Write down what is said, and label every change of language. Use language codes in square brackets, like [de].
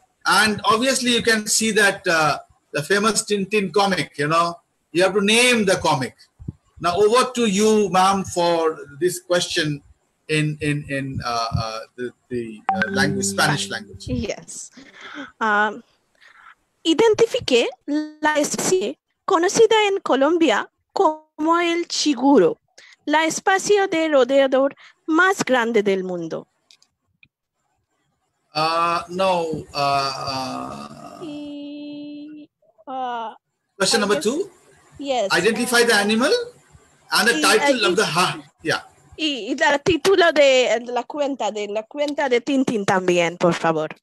[en] And obviously you can see that the famous Tintin comic, you know, you have to name the comic. Now over to you, ma'am, for this question in the Spanish language. Yes. [es] Identifique la especie conocida en Colombia como el chiguro. La especie de rodeador más grande del mundo. [en] Question number two? Yes. Identify the animal and the title of the... Yeah. [es] Y el título de la cuenta de Tintin también, por favor.